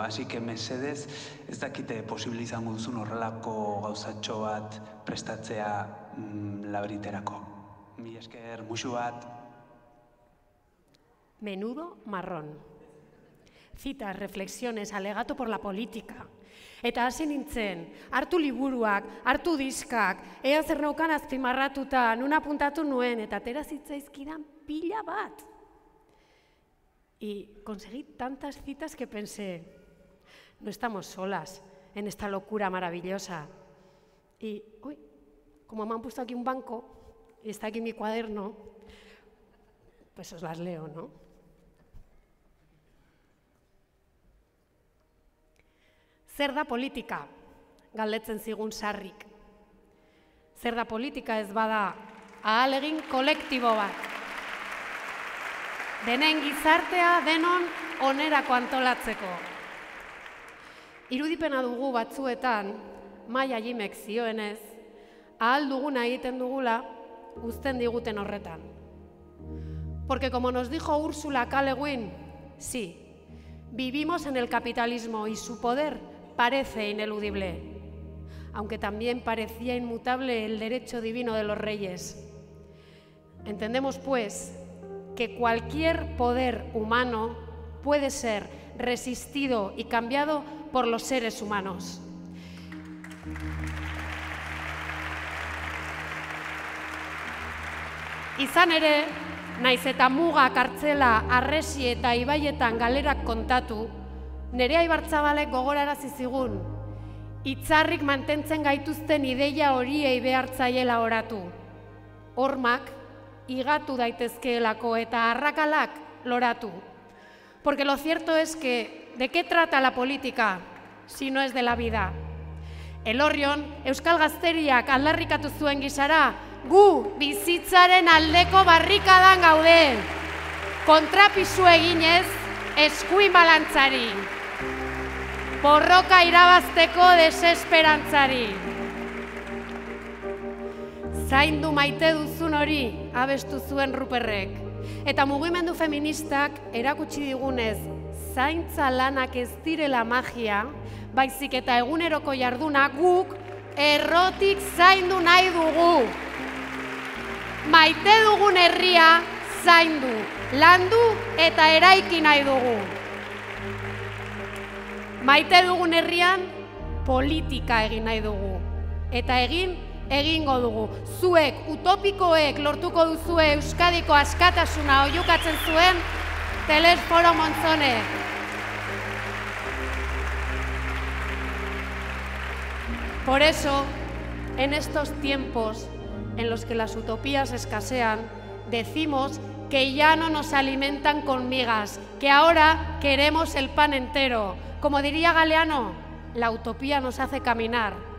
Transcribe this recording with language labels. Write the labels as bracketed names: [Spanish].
[Spanish] Así que, [Basque] mesedez, ez dakite posibilizan guzun horrelako gauzatxo bat prestatzea Labriterako. Mi esker, musu bat. [Spanish] Menudo marrón. Citas, reflexiones, alegato por la política. [Basque] Eta hasi nintzen, hartu liburuak, hartu diskak, ea zer naukan azpimarratuta, nun apuntatu nuen, eta atera zitzaizkidan pila bat. [Spanish] Y conseguí tantas citas que pensé, no estamos solas en esta locura maravillosa. Y, uy, como me han puesto aquí un banco, y está aquí mi cuaderno, pues os las leo, ¿no? [Basque] Zer da politika, galdetzen zigun sarrik. Zer da politika ez bada ahalegin kolektibo bat. Denen gizartea denon onerako antolatzeko. Irudipena dugu batzuetan, Maia Jimek zioenez, ahal duguna egiten dugula uzten diguten horretan. [Spanish] Porque como nos dijo Úrsula K. Le Guin, sí, vivimos en el capitalismo y su poder parece ineludible, aunque también parecía inmutable el derecho divino de los reyes. Entendemos, pues, que cualquier poder humano puede ser resistido y cambiado por los seres humanos. [Basque] Izan ere, naiz eta muga, kartzela, arresi eta ibaietan galerak kontatu, Nerea Ibartzabalek gogorarazi zigun, itzarrik mantentzen gaituzten ideia horiei behartzaiela oratu. Hormak igatu daitezkeelako eta arrakalak loratu. [Spanish] Porque lo cierto es que, ¿de qué trata la política si no es de la vida? [Basque] Elorrion, Euskal Gazteriak aldarrikatu zuen gisara, gu bizitzaren aldeko barrikadan gaude. Kontrapisu eginez, eskuin balantzari. Borroka irabazteko desesperantzari. Zaindu maite duzun hori abestu zuen Ruperrek. Eta mugimendu feministak erakutsi digunez, zaintza lanak ez direla magia, baizik eta eguneroko jarduna guk errotik zaindu nahi dugu. Maite dugun herria zaindu, landu eta eraiki nahi dugu. Maite dugun herrian politika egin nahi dugu. Eta egin, egingo dugu. Zuek, utopikoek lortuko duzue Euskadiko askatasuna oihukatzen zuen Telesforo Monzone. [Spanish] Por eso, en estos tiempos en los que las utopías escasean, decimos que ya no nos alimentan con migas, que ahora queremos el pan entero. Como diría Galeano, la utopía nos hace caminar.